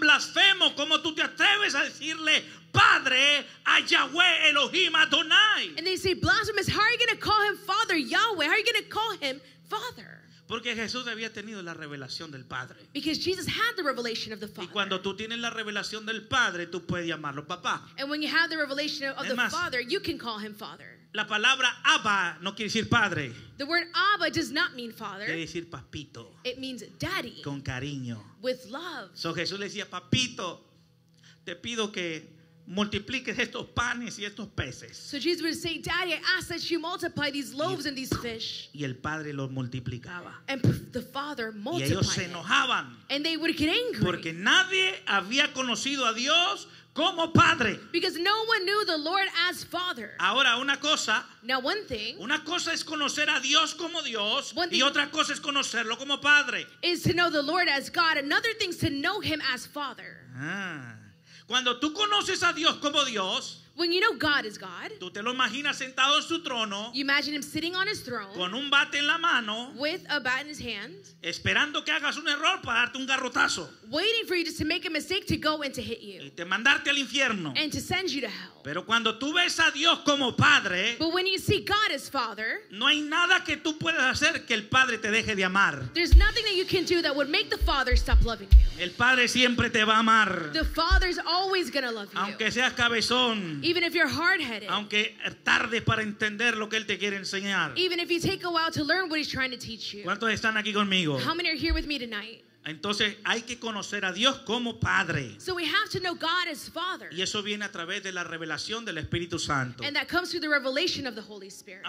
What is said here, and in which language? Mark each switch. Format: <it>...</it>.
<es>Blasfemo, ¿cómo tú te atreves a decirle Padre a Yahweh Elohim Adonai?</es> <en>And they say blasphemous, how are you going to call him Father Yahweh? How are you going to call him Father?</en> <es>Porque Jesús había tenido la revelación del Padre.</es> <en>Because Jesus had the revelation of the Father.</en> <es>Y cuando tú tienes la revelación del Padre, tú puedes llamarlo papá.</es> <en>And when you have the revelation of</en> <es>Además,</es> <en>the Father, you can call him Father.</en> <es>La palabra Abba no quiere decir padre.</es> <en>The word Abba does not mean father.</en> <es>Quiere decir papito.</es> <en>It means daddy.</en> <es>Con cariño.</es> <en>With love.</en> <es>So Jesús le decía, papito, te pido que multipliques estos panes y estos peces.</es> <en>So Jesus would say, daddy, I ask that you multiply these loaves and these fish.</en> <es>Y el padre los multiplicaba.</es> <en>And the father multiplied.</en> <es>Y ellos se enojaban.</es> <en>And they would get angry.</en> <es>Porque nadie había conocido a Dios como padre.</es> <en>Because no one knew the Lord as Father.</en> <es>Ahora, una cosa,</es> <en>now one thing.</en> <es>Una cosa es conocer a Dios como Dios, y otra cosa es conocerlo como padre.</es> <en>Is to know the Lord as God. Another thing is to know him as Father.</en> <es>Cuando tú conoces a Dios como Dios,</es> <en>when you know God as God,</en> <es>tú te lo imaginas sentado en su trono,</es> <en>you imagine him sitting on his throne,</en> <es>con un bate en la mano,</es> <en>with a bat in his hand,</en> <es>esperando que hagas un error para darte un garrotazo,</es> <en>waiting for you just to make a mistake to go and to hit you,</en> <es>y te mandarte al infierno,</es> <en>and to send you to hell.</en> <es>Pero cuando tú ves a Dios como padre,</es> <en>but when you see God as Father,</en> <es>no hay nada que tú puedas hacer que el padre te deje de amar.</es> <en>There's nothing that you can do that would make the Father stop loving you.</en> <es>El padre siempre te va a amar.</es> <en>The Father's always gonna love you.</en> <es>Aunque seas cabezón.</es> <en>Even if you're hard-headed.</en> <es>Aunque tardes para entender lo que él te quiere enseñar.</es> <en>Even if you take a while to learn what he's trying to teach you.</en> <es>¿Cuántos están aquí conmigo?</es> <en>How many are here with me tonight?</en> <es>Entonces hay que conocer a Dios como Padre.</es> <en>So we have to know God as Father.</en> <es>Y eso viene a través de la revelación del Espíritu Santo.</es> <en>And that comes through the revelation of the Holy Spirit.</en>